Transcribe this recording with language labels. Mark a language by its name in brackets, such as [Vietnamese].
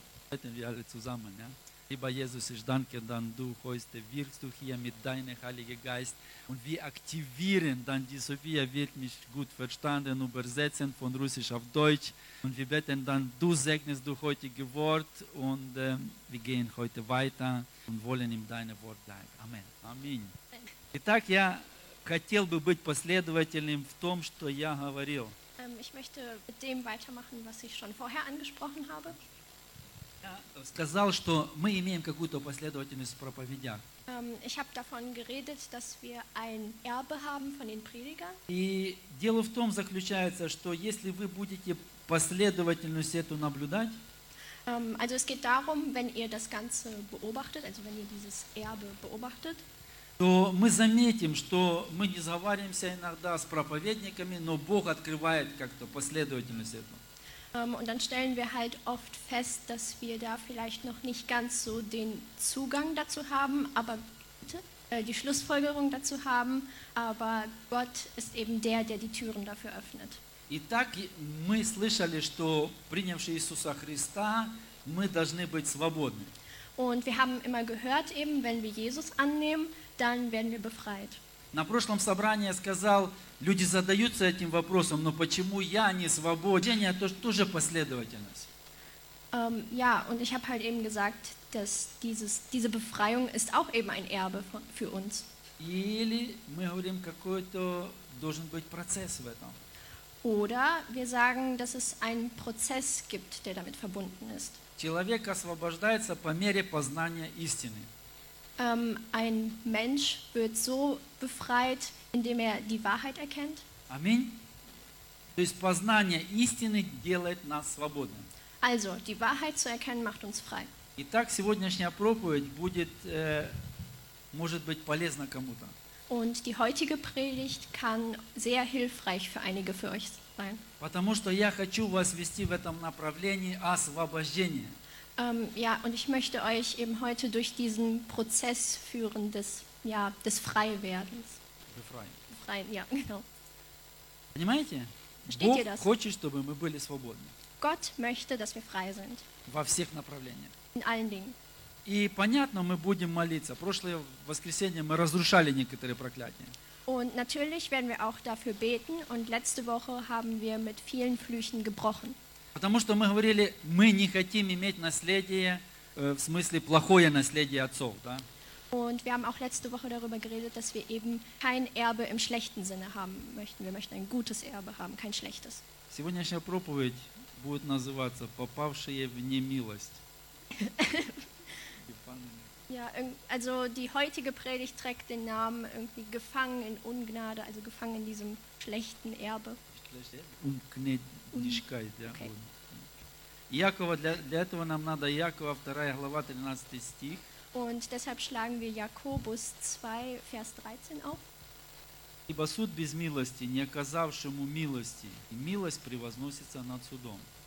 [German] Beten wir alle zusammen, ja. Lieber Jesus, ich danke dann, du heute wirkst du hier mit deinem Heiligen Geist und wir aktivieren dann, die Sophia wird mich gut verstanden, übersetzen von Russisch auf Deutsch und wir beten dann, du segnest du heutige Wort und wir gehen heute weiter und wollen ihm deine Wort danken. Amen. Amen. [Russian] Итак, я хотел бы быть последовательным в том, что я говорил. [German] Ich möchte mit dem weitermachen, was ich schon vorher angesprochen habe. [Russian] Я сказал, что мы имеем какую-то последовательность в проповедях. [German] Ich habe davon geredet, dass wir ein Erbe haben von den Predigern. [Russian] И дело в том заключается, что если вы будете последовательность эту наблюдать, [German] Also es geht darum, wenn ihr das Ganze beobachtet, also wenn ihr dieses Erbe beobachtet, [Russian] то мы заметим, что мы не сговариваемся иногда с проповедниками, но Бог открывает как-то последовательность этого. [German] Und dann stellen wir halt oft fest, dass wir da vielleicht noch nicht ganz so den Zugang dazu haben, aber die Schlussfolgerung dazu haben, aber Gott ist eben der, der die Türen dafür öffnet. [Russian] Итак, мы слышали, что принявшие Иисуса Христа, мы должны быть свободны. [German] Und wir haben immer gehört, eben, wenn wir Jesus annehmen, dann werden wir befreit. [Russian] На прошлом собрании я сказал, люди задаются этим вопросом, но почему я не свободен? Это тоже последовательность. [German] Ja, und ich habe halt eben gesagt, dass diese Befreiung ist auch eben ein Erbe für uns. [Russian] Или мы говорим, какой-то должен быть процесс в этом. [German] Oder wir sagen, dass es einen Prozess gibt, der damit verbunden ist. [Russian] Человек освобождается по мере познания истины. [German] Ein Mensch wird so befreit, indem er die Wahrheit erkennt. [Russian] Аминь. То есть познание истины делает нас свободным. [German] Also, die Wahrheit zu erkennen macht uns frei. [Russian] Итак, сегодняшняя проповедь будет, может быть, полезна кому-то. [German] Und die heutige Predigt kann sehr hilfreich für einige für euch sein. [Russian] Потому что я хочу вас вести в этом направлении освобождения. [German] Ja, und ich möchte euch eben heute durch diesen Prozess führen des, ja, des Freiwerdens. Befreien, ja, genau. [Russian] Понимаете? [German] Versteht ihr das? [Russian] Хочет, чтобы мы были свободны. [German] Gott möchte, dass wir frei sind. [Russian] Во всех направлениях. [German] In allen Dingen. [Russian] И понятно, мы будем молиться. Прошлое воскресенье мы разрушали некоторые проклятия. [German] Und natürlich werden wir auch dafür beten. Und letzte Woche haben wir mit vielen Flüchen gebrochen. [Russian] Потому что мы говорили, мы не хотим иметь наследие, в смысле плохое наследие отцов, да? [German] Und wir haben auch letzte Woche darüber geredet, dass wir eben kein Erbe im schlechten Sinne haben möchten. Wir möchten ein gutes Erbe haben, kein schlechtes. [Russian] Сегодняшняя проповедь будет называться «Попавшие в немилость». [German] Ja, also die heutige Predigt trägt den Namen irgendwie gefangen in Ungnade, also gefangen in diesem schlechten Erbe. Ungnädigkeit, ja. Okay. [Russian] Jakoba, для этого нам надо Jakoba 2 глава 13 стих. [German] Und deshalb schlagen wir Jakobus 2 Vers 13 auf. [Russian] Ибо суд без милости, не оказавшему милости, и милость превозносится над судом.